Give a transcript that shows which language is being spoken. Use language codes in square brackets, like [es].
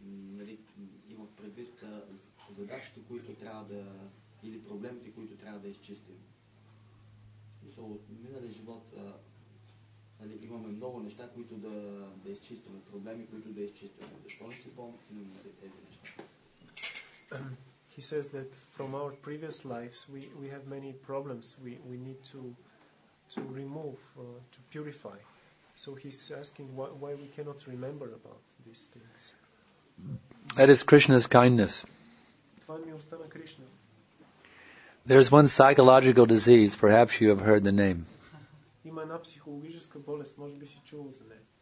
[bg] Нали, има предвид задачите, които трябва да или проблемите, които трябва да изчистим. Мисъл, от миналия живот нали, имаме много неща, които да изчистваме, проблеми, които да изчистваме. Защо не си помним за тези неща? [en] He says that from our previous lives we have many problems we need to remove, to purify. So he's asking why we cannot remember about these things. That is Krishna's kindness. [bg] Това е милостта на Кришна. [en] There's one psychological disease, perhaps you have heard the name. [bg] Има една психологическа болест, може би си чувал за нея.